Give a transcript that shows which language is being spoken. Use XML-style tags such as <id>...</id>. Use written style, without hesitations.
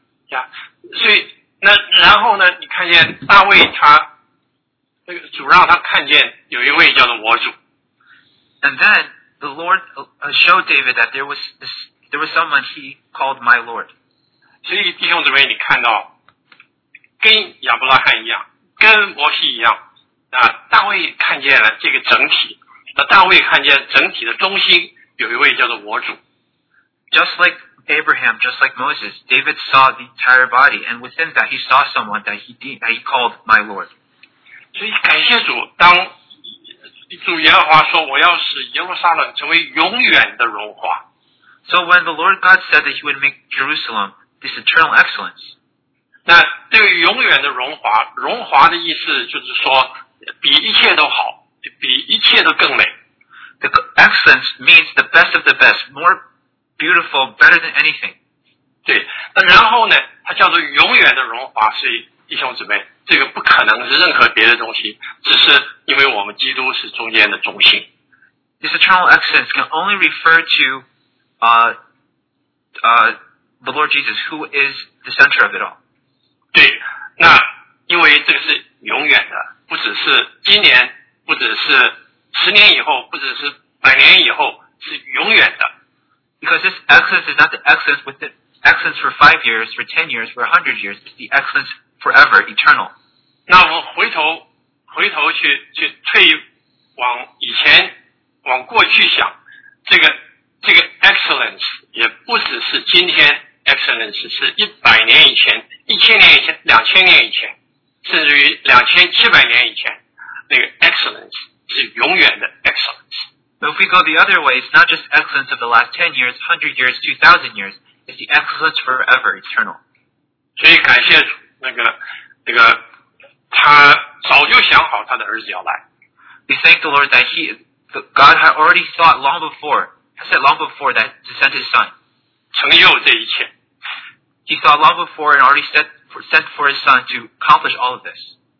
<en>Yeah,</en> <zh>那然后呢？你看见大卫他，那个主让他看见有一位叫做我主。</zh> <en>And then the Lord showed David that there was someone he called my Lord.</en> <zh>所以弟兄姊妹，你看到跟亚伯拉罕一样，跟摩西一样，大卫看见了这个整体，那大卫看见整体的中心有一位叫做我主。</zh> <en>Just like Abraham, just like Moses, David saw the entire body, and within that, he saw someone that he called my Lord.</en> <zh>所以感谢主，当主耶和华说我要使耶路撒冷成为永远的荣华。</zh> <en>So when the Lord God said that he would make Jerusalem this eternal excellence,</en> <zh>那对于永远的荣华，荣华的意思就是说比一切都好，比一切都更美。</zh> <en>The excellence means the best of the best, more beautiful, better than anything.</en> <zh>对，那然后呢，它叫做永远的荣华，所以弟兄姊妹，这个不可能是任何别的东西，只是因为我们基督是中间的中心。</zh> <en>This eternal excellence can only refer to the Lord Jesus, who is the center of it all.</en> <zh>对，那因为这个是永远的，不只是今年，不只是十年以后，不只是百年以后，是永远的。</zh> <en>Because this excellence is not the excellence with the excellence for 5 years, for 10 years, for 100 years. It's the excellence forever, eternal.</en> <zh>那我们回头去退往以前，往过去想，这个 excellence 也不只是今天 excellence， 是100年以前、1000年以前、2000年以前，甚至于2700年以前，那个 excellence 是永远的 excellence。</zh> <en>But if we go the other way, it's not just excellence of the last 10 years, 100 years, 2,000 years. It's the excellence forever, eternal.</en> <zh>所以感谢主，那个他早就想好他的儿子要来。</zh> <en>We thank the Lord that God had already thought long before, He said long before that to send His Son.</en> <zh>成就这一切。</zh> <en>He thought long before and already sent for His Son to accomplish all of this.</en>